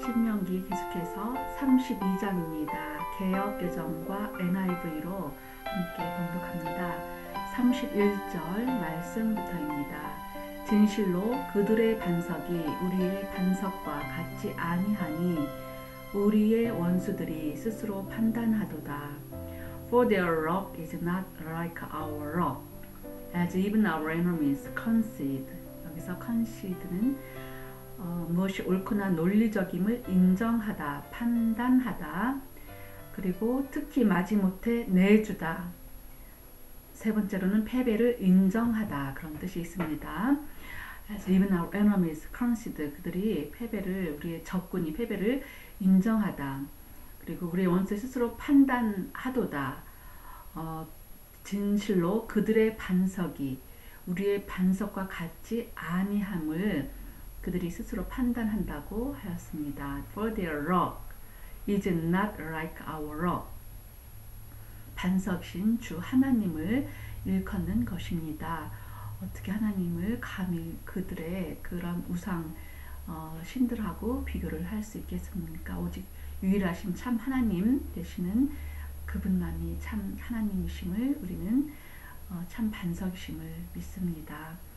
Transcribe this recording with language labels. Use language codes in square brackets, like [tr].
[ko] 신명기 계속해서 32장입니다. 개역개정과 NIV로 함께 공독합니다. 31절 말씀부터입니다. 진실로 그들의 반석이 우리의 반석과 같지 아니하니 우리의 원수들이 스스로 판단하도다. [en] For their rock is not like our rock, as even our enemies concede. [ko] 여기서 concede는 무엇이 옳거나 논리적임을 인정하다, 판단하다. 그리고 특히 마지못해 내주다. 세 번째로는 패배를 인정하다. 그런 뜻이 있습니다. [en] As even our enemies concede. [ko] 그들이 패배를, 우리의 적군이 패배를 인정하다. 그리고 우리의 원수 스스로 판단하도다. 진실로 그들의 반석이 우리의 반석과 같지 아니함을 그들이 스스로 판단한다고 하였습니다. [en] For their rock is not like our rock. [ko] 반석신 주 하나님을 일컫는 것입니다. 어떻게 하나님을 감히 그들의 그런 우상 신들하고 비교를 할 수 있겠습니까? 오직 유일하신 참 하나님 되시는 그분만이 참 하나님이심을 우리는 참 반석이심을 믿습니다.